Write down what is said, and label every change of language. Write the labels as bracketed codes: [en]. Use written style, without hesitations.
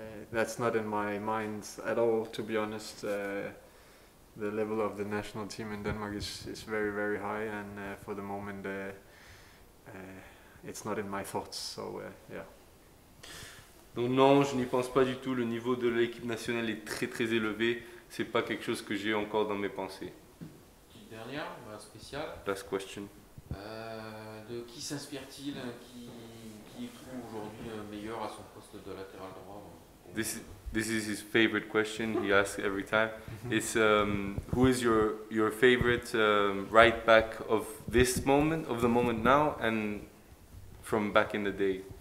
[en] That's not in my mind at all, to be honest. The level of the national team in Denmark is very, very high, and for the moment it's not in my thoughts, so yeah. [fr] Donc non, je n'y pense pas du tout, le niveau de l'équipe nationale est très très élevé, c'est pas quelque chose que j'ai encore dans mes pensées. Petite dernière, spéciale. [en] Last question. [fr] De qui s'inspire-t-il, qui trouve aujourd'hui meilleur à son poste de latéral droit? [en] This is his favorite question he asks every time. It's who is your favorite right back of this moment, of the moment now, and from back in the day?